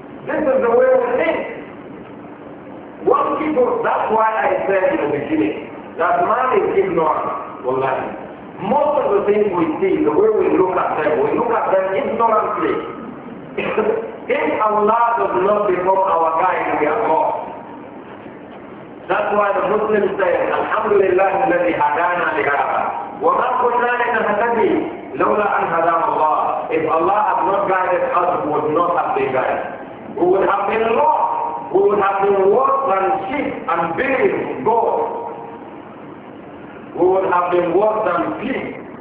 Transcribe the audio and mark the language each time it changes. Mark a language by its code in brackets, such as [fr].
[en] This is the way we think. What people, that's why I said in the beginning, that man is ignorant. Wallahi. Most of the things we see, the way we look at them ignorantly. If Allah does not become our guide, we are lost. That's why the Muslims say, [ar] Alhamdulillah, الَّذِي هَدَانَا لِهَذَا وَمَا كُنَّا لِنَهْتَدِي لَوْلَا أَنْ هَدَانَا اللَّهُ. [en] If Allah had not guided us, we would not have been guided. We would have been lost. We would have been worse than sheep and bees, goats. We would have been worse than fish.